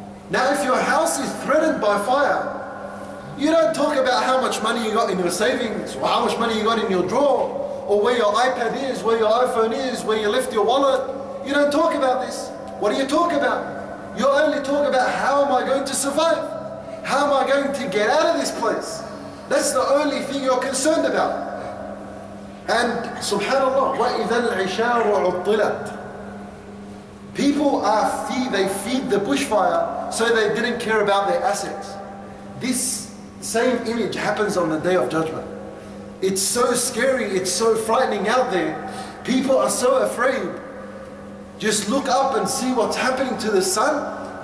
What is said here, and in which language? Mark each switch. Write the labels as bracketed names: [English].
[English] Now if your house is threatened by fire, you don't talk about how much money you got in your savings, or how much money you got in your drawer, or where your iPad is, where your iPhone is, where you left your wallet. You don't talk about this. What do you talk about? You only talk about how am I going to survive? How am I going to get out of this place? That's the only thing you're concerned about. [Arabic] And subhanAllah, وَإِذَا الْعِشَارُ عُطِّلَتْ. [English] People are they feed the bushfire, so they didn't care about their assets. This same image happens on the Day of Judgment. It's so scary, it's so frightening out there. People are so afraid. Just look up and see what's happening to the sun.